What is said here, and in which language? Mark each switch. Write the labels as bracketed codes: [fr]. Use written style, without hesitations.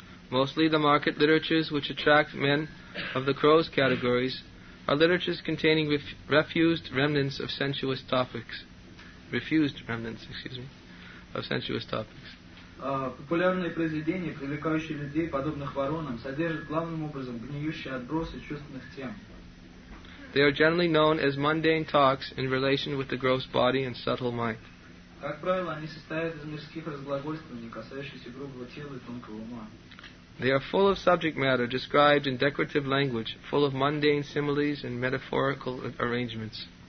[en] Mostly the market literatures which attract men of the crows categories are literatures containing refused remnants of sensuous topics. [ru] Популярные произведения, привлекающие людей, подобных воронам, содержат главным образом гниющие отбросы чувственных тем. [en] They are generally known as mundane talks in relation with the gross body and subtle mind. [ru] Как правило, они состоят из мирских разглагольствований, касающихся грубого тела и тонкого ума. [en] They are full of subject matter described in decorative language, full of mundane similes and metaphorical arrangements.